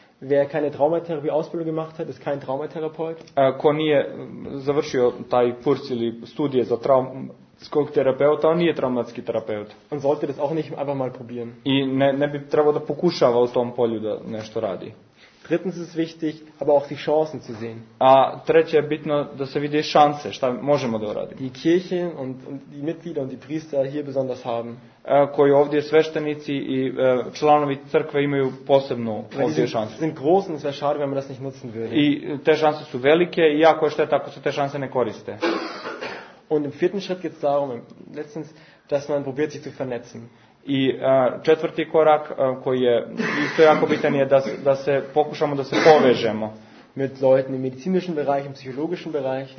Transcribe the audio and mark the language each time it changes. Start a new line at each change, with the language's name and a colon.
German: Wer keine Traumatherapie Ausbildung gemacht hat, ist kein Traumatherapeut.
Serbian: Ko nije završio taj kurs ili studije za traumskog terapeuta, on nije traumatski terapeut.
German: Man sollte das auch nicht einfach mal probieren.
Serbian: I ne bi trebao da pokušava u tom polju da nešto radi.
German: Drittens ist wichtig, aber auch die Chancen zu sehen.
Serbian: A treće je bitno da se vide šanse, šta možemo da uradimo.
German: Die Kirche und die Mitglieder und die Priester hier besonders haben.
Serbian: Koji ovdje sveštenici i članovi crkve imaju posebnu ovdje šansu.
German: Sind groß und es wäre schade, wenn man das nicht nutzen würde.
Serbian: I te šanse su velike i jako je šteta ako se te šanse ne koriste.
German: Und im vierten Schritt geht es darum, letztens, dass man probiert sich zu vernetzen.
Serbian: I četvrti korak koji je isto jako bitan je da se pokušamo da se povežemo
German: mit Leuten im medizinischen Bereich, im psychologischen Bereich,